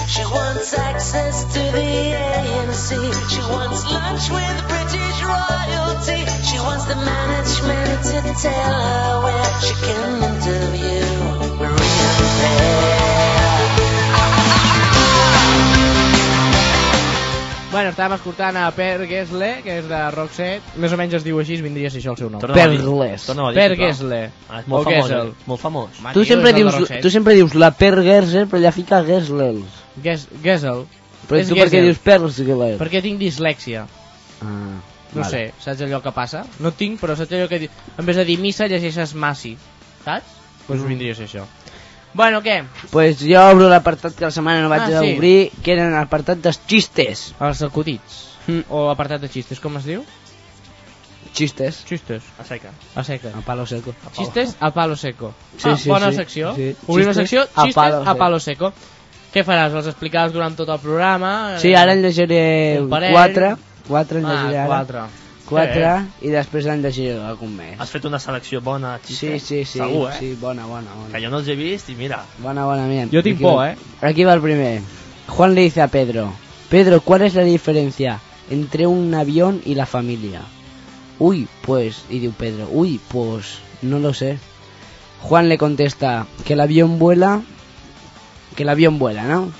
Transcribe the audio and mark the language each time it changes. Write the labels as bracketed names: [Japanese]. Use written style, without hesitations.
[English] She wants access to the ANC. She wants lunch with British royalty. She wants the management to tell her where she can interview Maria [Catalan] Bueno, estàvem escoltant a Per Gessle, que és de Roxette. Més o menys es diu així, vindria a ser això el seu nom. Per Gessle. Per Gessle. Ah, molt famós. Molt famós. Home, tu, sempre dius, la Per Gessle, però allà fica Gessle. Gessle. Però és tu Gessle. Per què dius Per Gessle? Perquè tinc dislèxia. Ah, no vale. Sé, saps allò que passa? No tinc, però saps allò que dius? [Spanish] En vez de [Catalan] dir missa, llegeixes massi. Saps? Doncs vindria a ser això. Bueno, què? Pues jo obro l'apartat que la setmana no vaig a obrir, que era l'apartat dels xistes. Els acudits. Mm. O apartat de xistes, com es diu? Xistes. Xistes. A seca. A seca. [Spanish] A palo seco. A palo. Xistes a palo seco. [Catalan] Sí, ah, sí, bona sí. Secció. Sí. Obrir una secció, xistes [Spanish] a palo, a palo seco. [Catalan] Què faràs? Els explicaràs durant tot el programa? Sí, ara en llegiré quatre. Quatre en llegiré ara. Quatre. Quatre, sí. I després han decidit algun mes. Has fet una selecció bona, xiste. Sí, sí, sí. Segur, sí, bona. Que jo no els he vist i mira. Bona, mira. Jo tinc por, Aquí va el primer. [Spanish] Juan le dice a Pedro. Pedro, ¿cuál es la diferencia entre un avión y la familia? Uy, pues, y [Catalan] diu [Spanish] Pedro. Uy, pues, no lo sé. Juan le contesta que el avión vuela, que el avión vuela, ¿no?